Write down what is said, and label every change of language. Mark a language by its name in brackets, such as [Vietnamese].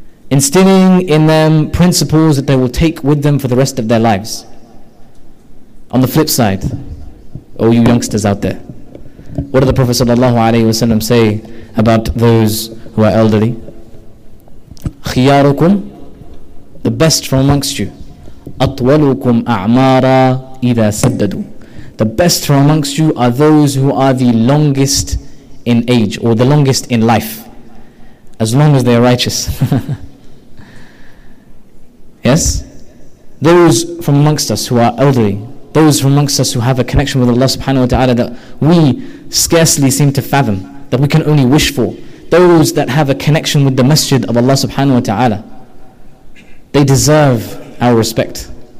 [English] Instilling in them principles that they will take with them for the rest of their lives. On the flip side, oh you youngsters out there, what did the Prophet sallallahu alaihi wasallam say about those who are elderly? Khiyarukum, the best from amongst you. [Arabic] أطولكم أعمارا إذا سددوا. [English] The best from amongst you are those who are the longest in age or the longest in life, as long as they are righteous. Yes? Those from amongst us who are elderly, those from amongst us who have a connection with Allah subhanahu wa ta'ala that we scarcely seem to fathom, that we can only wish for, those that have a connection with the masjid of Allah subhanahu wa ta'ala, they deserve our respect.